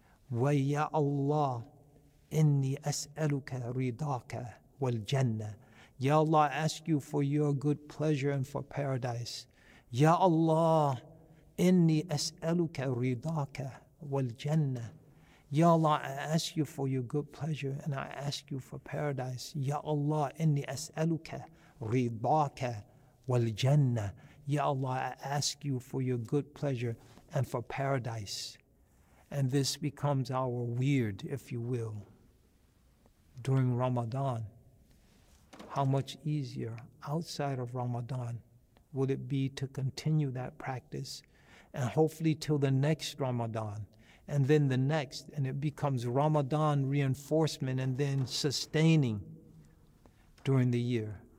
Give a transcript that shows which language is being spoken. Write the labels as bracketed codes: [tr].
[ar] Wa ya Allah, إني أسألك رضاك والجنة. [en] Ya Allah, I ask you for your good pleasure and for paradise. [ar] Ya Allah, إني أسألك رضاك والجنة. [en] Ya Allah, I ask you for your good pleasure and I ask you for paradise. [ar] Ya Allah, إني أسألك رضاك والجنة. [en] Ya Allah, I ask you for your good pleasure and for paradise. And this becomes our weird, if you will. During Ramadan, how much easier outside of Ramadan would it be to continue that practice, and hopefully till the next Ramadan, and then the next, and it becomes Ramadan reinforcement and then sustaining during the year.